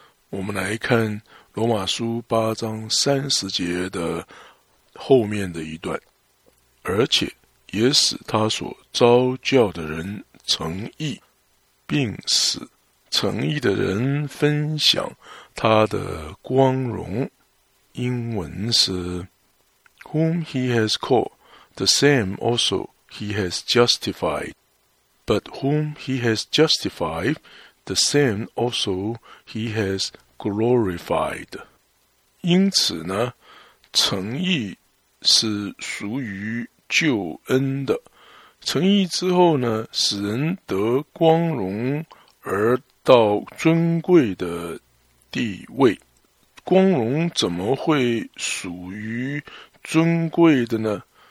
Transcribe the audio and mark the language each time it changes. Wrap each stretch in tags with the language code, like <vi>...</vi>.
<zh>我们来看罗马书八章三十节的后面的一段，而且也使他所召教的人成义，并使成义的人分享他的光荣。英文是</zh> <en>Whom he has called, the same also he has justified, but whom he has justified, the same also he has glorified。</en> <zh>因此呢，诚义是属于救恩的，诚义之后呢，使人得光荣而到尊贵的地位。光荣怎么会属于尊贵的呢？</zh>